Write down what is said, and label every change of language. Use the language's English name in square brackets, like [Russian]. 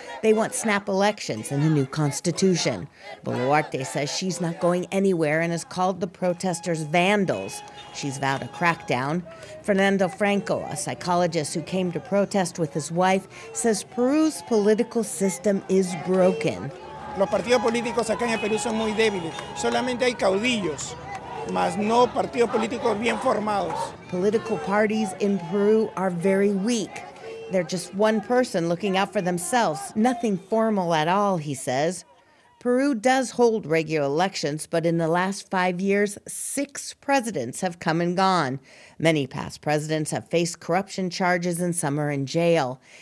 [English] They want snap elections and a new constitution. Boluarte says she's not going anywhere and has called the protesters vandals. She's vowed a crackdown. Fernando Franco, a psychologist who came to protest with his wife, says Peru's political system is broken. [Spanish] Los partidos políticos acá en el Perú son muy débiles. Solamente hay caudillos. Mas no partidos políticos bien formados. [English] Political parties in Peru are very weak. They're just one person looking out for themselves. Nothing formal at all, he says. Peru does hold regular elections, but in the last 5 years, six presidents have come and gone. Many past presidents have faced corruption charges and some are in jail.